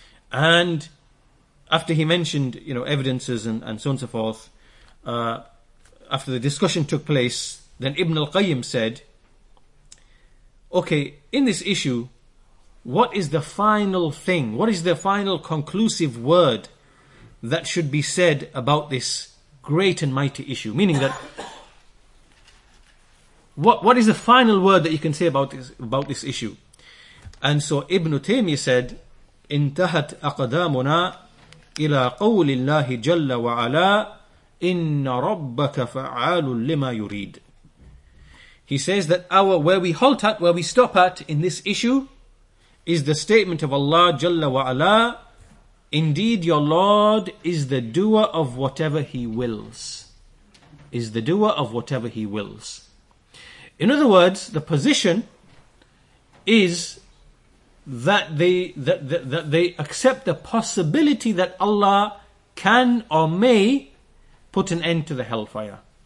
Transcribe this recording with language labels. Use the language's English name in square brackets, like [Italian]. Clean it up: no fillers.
[English] And after he mentioned, you know, evidences and so on and so forth, after the discussion took place, then Ibn al-Qayyim said, okay, in this issue, what is the final thing? What is the final conclusive word that should be said about this great and mighty issue? Meaning that, what is the final word that you can say about this issue? And so Ibn Taymiyyah said, [Arabic] انتهت أقدامنا إلى قول الله جل وعلا إن ربك فعال لما يريد. [English] He says that where we stop at in this issue is the statement of Allah Jalla wa Ala, indeed your Lord is the doer of whatever he wills. Is the doer of whatever he wills. In other words, the position is that they accept the possibility that Allah can or may put an end to the hellfire.